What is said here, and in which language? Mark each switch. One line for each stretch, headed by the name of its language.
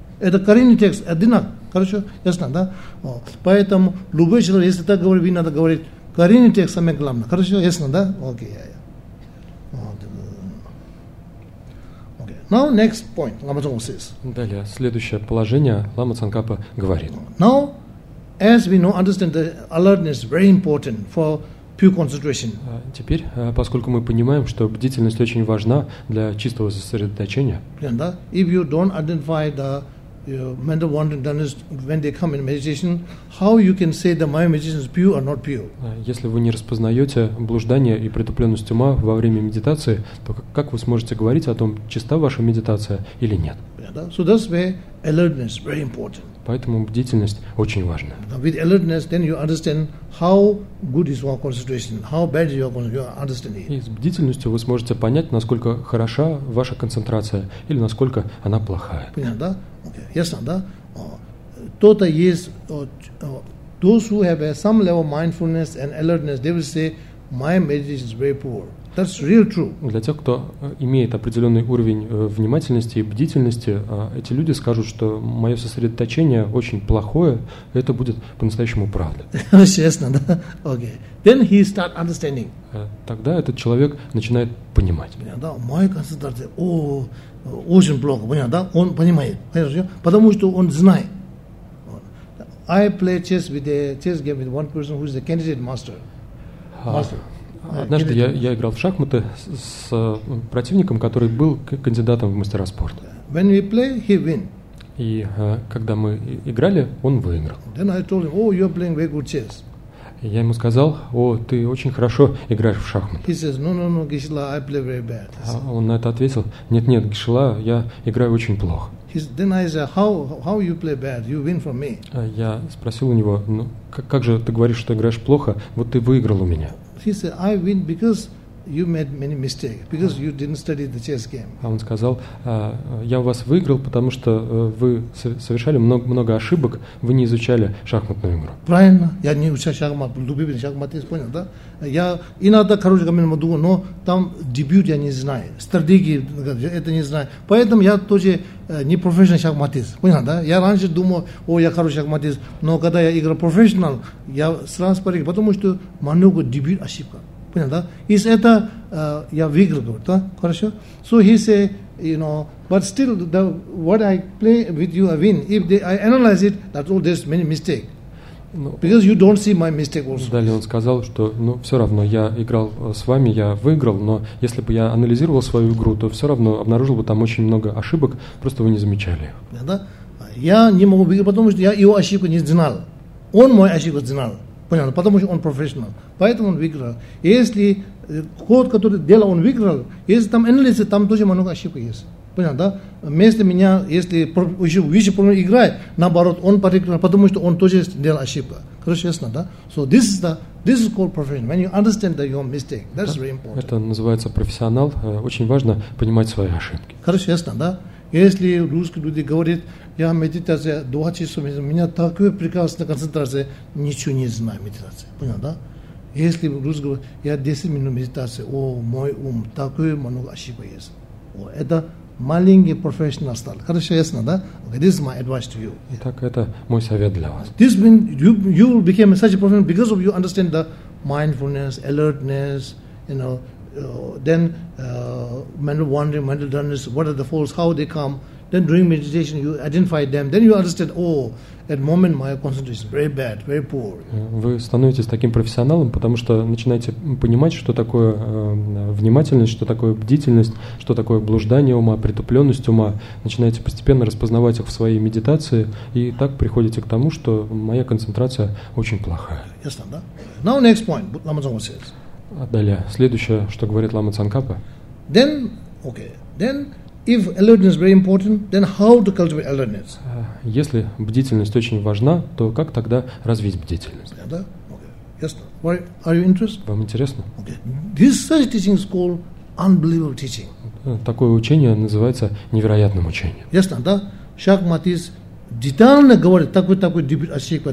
Russian: Это коренный текст, одинак. Хорошо? Ясно, да? Поэтому любой человек, если так говорит, вы надо говорить, коренный текст самое главное. Хорошо? Ясно, да? Окей. Okay.
English: Now next point, Lama Tsongkhapa says.
Russian: Далее, следующее положение Лама Цанкапа говорит.
English: Now, as we know, understand that alertness is very important for pure concentration.
Russian: Теперь, поскольку мы понимаем, что бдительность очень важна для чистого сосредоточения. Yeah, да?
English: If you don't identify the mental wandering dullness when they come in meditation, how you can say that my meditation is pure or not pure?
Russian: Если вы не распознаете блуждание и притупленность ума во время медитации, то как вы сможете говорить о том, чиста ваша медитация или нет?
English: Yeah, да? So that's where alertness is very important.
Russian: Поэтому бдительность очень важна.
English: With alertness, then you understand how good is your concentration, how bad is your concentration. You understand it.
Russian: И с бдительностью вы сможете понять, насколько хороша ваша концентрация или насколько она плохая. Понятно, да? Okay. Ясно, да? То-то есть,
English: those who have some level of mindfulness and alertness, they will say, my meditation is very poor. That's real true.
Russian: Для тех, кто имеет определенный уровень внимательности и бдительности, эти люди скажут, что мое сосредоточение очень плохое, и это будет по-настоящему правда. Честно, да?
English: Okay. Then he start understanding.
Russian: Тогда этот человек начинает понимать. Понятно, да? Моя концентрация, о, очень плохо, понятно, да? Он понимает, понятно? Потому что он знает.
English: I play chess with a chess game with one person who is a candidate master.
Russian: Однажды я играл в шахматы с противником, который был кандидатом в мастера спорта.
English: When we play, he win.
Russian: И когда мы играли, он выиграл.
English: Then I told him, oh, you're playing very good chess.
Russian: Я ему сказал, о, ты очень хорошо играешь в шахматы.
English: He says, no, Гишла, I play very bad.
Russian: Он на это ответил, нет, Гишла, я играю очень плохо.
English: Then I said, how you play bad? You win from me.
Russian: Я спросил у него, ну как же ты говоришь, что играешь плохо? Вот ты выиграл у меня.
English: He said, I win because you made many mistakes, because you didn't study the chess game.
Russian: А он сказал, я у вас выиграл, потому что вы совершали много ошибок, вы не изучали шахматную игру. Правильно, я не учил шахмат, любимый шахматист, понял, да? Я иногда хороший камень могу, но там дебют я не знаю, стратегии это не знаю. Поэтому я тоже не профессиональный шахматист, понял, да? Я раньше думал, о, я хороший шахматист, но когда я играл профессионал, я сразу спорил, потому что много дебют ошибка. Понял, да? Из это я выиграл, говорит, да? Хорошо?
English: So he say, you know, but still the what I play with you, I win. If they, I analyze it, that's all, there's many mistakes. Because you don't see my mistake also.
Russian: Далее он сказал, что, ну, все равно, я играл с вами, я выиграл, но если бы я анализировал свою игру, то все равно обнаружил бы там очень много ошибок, просто вы не замечали. Понял, да? Я не могу выиграть, потому что я его ошибку не знал. Он мою ошибку знал. Понятно, потому что он профессионал, поэтому он выиграл. Если ход, который делал, он выиграл, если там анализы, там тоже много ошибок есть. Понятно, да? Вместо меня, если еще выше уровня играет, наоборот, он проиграл, потому что он тоже делал ошибку. Хорошо, ясно, да?
English: So this is called profession. When you understand that your mistake, that's very important.
Russian: Это называется профессионал. Очень важно понимать свои ошибки. Хорошо, ясно, да? Если русские люди говорят, я медитация 2 часа, у меня такая прекрасная концентрация, ничего не знаю медитация. Понял, да? Если русский говорит, я 10 минут медитации, о, мой ум, такой много ошибок есть. О, это маленький профессионал стал. Хорошо, ясно, да?
English: Okay, this is my advice to you.
Russian: Итак, это мой совет для вас.
English: This means you became such a professional because of you understand the mindfulness, alertness, you know, then mental wandering, mental dullness, what are the faults, how they come. Then during meditation, you identify them. Then you understand, oh, at moment my concentration is very bad, very poor.
Russian: Вы становитесь таким профессионалом, потому что начинаете понимать, что такое внимательность, что такое бдительность, что такое блуждание ума, притупленность ума. Начинаете постепенно распознавать их в своей медитации, и так приходите к тому, что моя концентрация очень плохая. Ясно, да?
English: Now next point, what Lama Tsongkhapa says.
Russian: А далее, следующее, что говорит Лама Цанкапа.
English: Then, okay, then, if alertness is very important, then how to cultivate alertness?
Russian: Если бдительность очень важна, то как тогда развить бдительность?
English: Yeah, да? Okay. Yes. Why are you interested?
Russian: Вам интересно?
English: Okay. This such teaching is called unbelievable teaching.
Russian: Такое учение называется невероятным учением. Ясно, да? Шахматист детально говорит такой дебют ошибка.